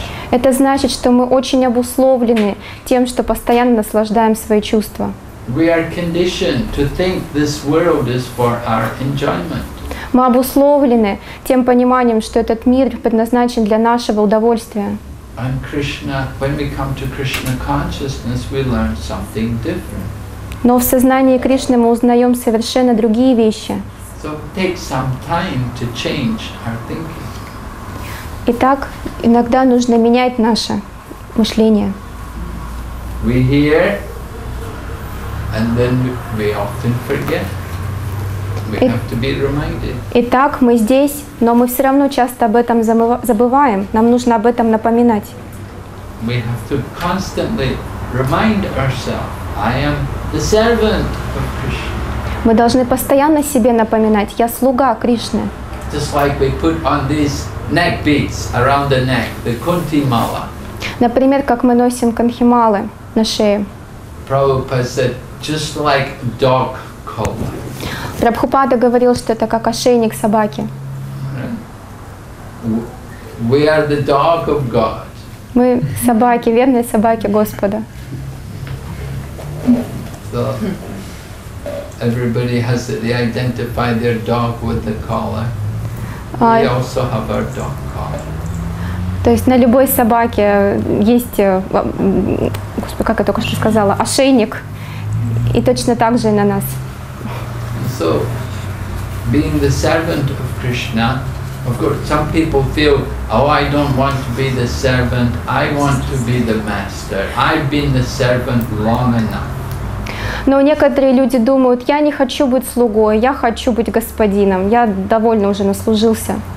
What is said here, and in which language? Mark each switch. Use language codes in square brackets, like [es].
[ru] Это значит, что мы очень обусловлены тем, что постоянно наслаждаем свои чувства. Мы обусловлены тем пониманием, что этот мир предназначен для нашего удовольствия. [en] And Krishna, when we come to Krishna consciousness, we learn something different. [ru] Но в сознании Кришны мы узнаем совершенно другие вещи. [en] So take some time to change our thinking. [ru] Итак, иногда нужно менять наше мышление. [en] We hear, and then we often forget. We have to be reminded. [ru] Итак, мы здесь, но мы все равно часто об этом забываем. Нам нужно об этом напоминать. [en] we have to constantly remind ourselves, I am the servant of Krishna. [ru] Мы должны постоянно себе напоминать, я слуга Кришны. [en] Just like we put on these neck beads around the neck, the Kunti Mala. [ru] Например, как мы носим канхималы на шее. [en] Prabhupada said, just like dog collar. [ru] Прабхупада говорил, что это как ошейник собаки. [en] We are the dog of God. [ru] Мы собаки, верные собаки Господа. [en] So, everybody has to identify their dog with the collar. We also have our dog collar. [ru] То есть на любой собаке есть, Господи, как я только что сказала, ошейник, и точно так же и на нас. [en] So, being the servant of Krishna, of course, some people feel, oh, I don't want to be the servant, I want to be the master. I've been the servant long enough. [ru] Но некоторые люди думают, я не хочу быть слугой, я хочу быть господином, я довольно уже наслужился.